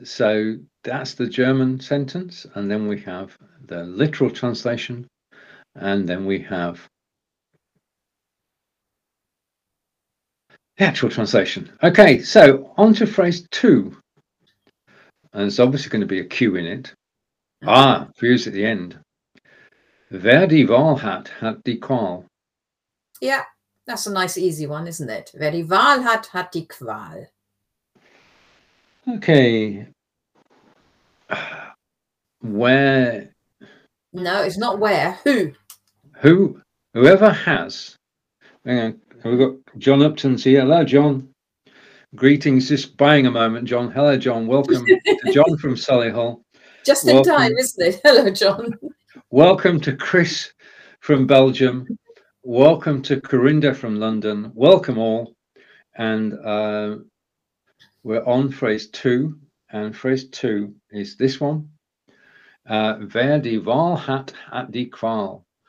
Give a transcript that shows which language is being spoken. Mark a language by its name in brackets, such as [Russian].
[English] So that's the German sentence. And then we have the literal translation. And then we have the actual translation. Okay, so on to phrase two. And there's obviously going to be a Q in it. Ah, views at the end. [German] Wer die Wahl hat, hat die Qual. [English] Yeah, that's a nice easy one, isn't it? [German] Wer die Wahl hat, hat die Qual. [English] Okay. Where? No, it's not where. Who? Who? Whoever has. Hang on. We've got John Upton's here. Hello, John. Greetings. Just buying a moment, John. Hello, John. Welcome to John from Solihull. Just welcome. In time, isn't it? Hello, John. Welcome to Chris from Belgium. Welcome to Corinda from London. Welcome all. And we're on phrase two. And phrase two is this one. [German] Wer die Wahl hat, hat die Qual.